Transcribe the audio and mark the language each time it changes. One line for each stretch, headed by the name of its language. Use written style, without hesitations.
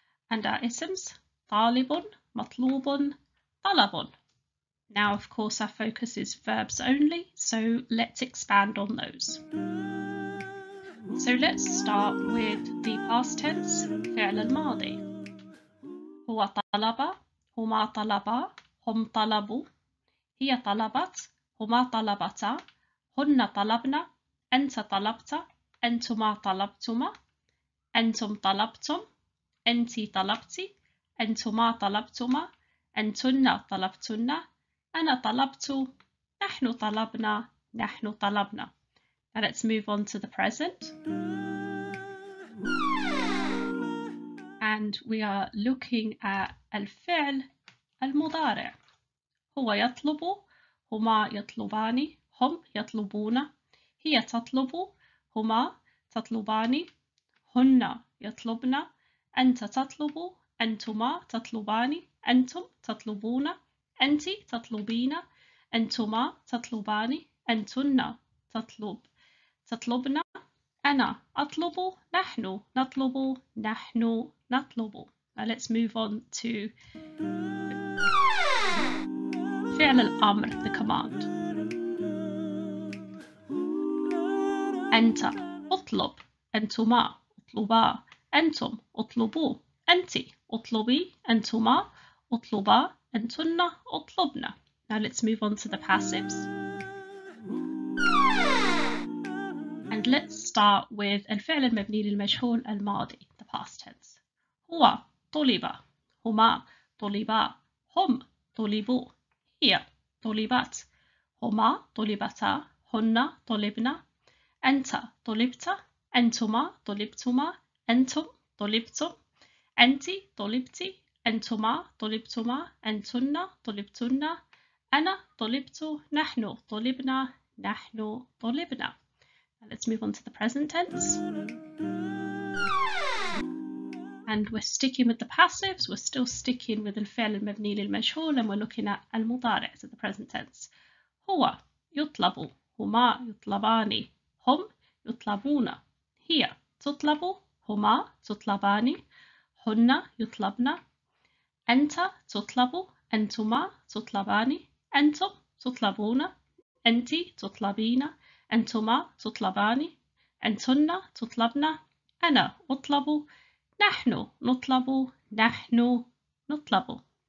English: And our isms, talibun, matlubun, talabun. Now, of course, our focus is verbs only, so let's expand on those. So let's start with the past tense, فعل الماضي.
Arabic: هو طلب, هما طلبا, هم طلبوا. هي طلبت, هما طلبتا, هن طلبنا, أنت طلبت, أنتما طلبتما, أنتم طلبتم, أنت طلبتي, أنتما طلبتما, أنتن طلبتن, أنا طلبت, نحن طلبنا, نحن طلبنا.
English: And let's move on to the present. And we are looking at الفعل المضارع.
Arabic: هو يطلب, هما يطلبان, هم يطلبون. هي تطلب, هما تطلبان, هن يطلبن. أنت تطلب, أنتما تطلبان, أنتم تطلبون, أنت تطلبين, أنتما تطلبان, أنتن تطلب. تطلبنا, أنا أطلب, نحن نطلب, نحن نطلب.
English: Now let's move on to فعل الأمر, the command.
Arabic: أنت أطلب, أنتما أطلبا, أنتم أطلبوا, أنت أطلبي, أنتما أطلبا, أنتن أطلبنا.
English: Now let's move on to the passives. And let's start with الفعل المبني للمجهول الماضي, the past tense.
Arabic: هو طلب, هما طلبا, هم طلبوا, هي طلبت, هما طلبتا, هن طلبنا, أنت طلبت, أنتما طلبتما, أنتم طلبتم, أنت طلبتي, أنتما طلبتما, أنتن طلبتن, أنا طلبت, نحن طلبنا, نحن طلبنا.
English: Let's move on to the present tense. And we're sticking with the passives. We're still sticking with الفعل المبني للمجهول, and we're looking at المضارع, so the present tense.
Arabic: هو يطلب, هما يطلبان, هم يطلبون. هي تطلب, هما تطلبان, هن يطلبن. أنت تطلب, أنتما تطلبان, أنتم تطلبون, أنت تطلبين, أنتما تطلبان, أنتن تطلبن, أنا أطلب, نحن نطلب, نحن نطلب.